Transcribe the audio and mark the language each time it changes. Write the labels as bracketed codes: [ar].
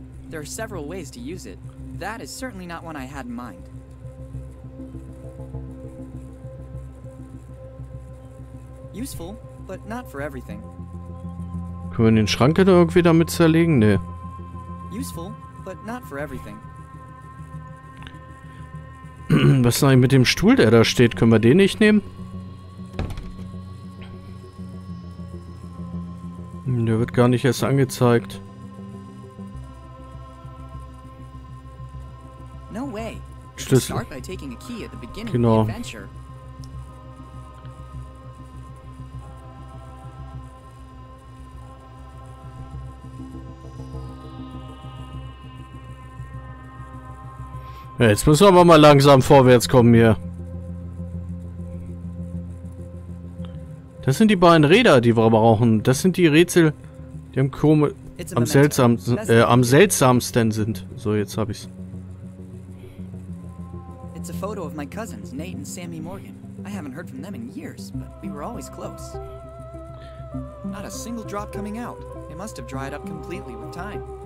[en] There are several ways to use it. That is certainly not one I had in mind. Useful, but not for everything. [de] Können wir den Schrank da irgendwie damit zerlegen? Nee. [en] Useful, but not for everything. [de] Was ist eigentlich mit dem Stuhl, der da steht? Können wir den nicht nehmen? Der wird gar nicht erst angezeigt. [en] No way. [de] Schlüssel. [en] Start by taking a key at the beginning [de] genau. [en] Of the adventure. [de] Ja, jetzt müssen wir aber mal langsam vorwärts kommen hier. Das sind die beiden Räder, die wir brauchen. Das sind die Rätsel. Im Kome am seltsamsten sind. So, jetzt hab ich's. [en] It's a photo of my cousins, Nate and Sammy Morgan. I haven't heard from them in years, but we were always close. Not a single drop coming out. It must have dried up completely with time.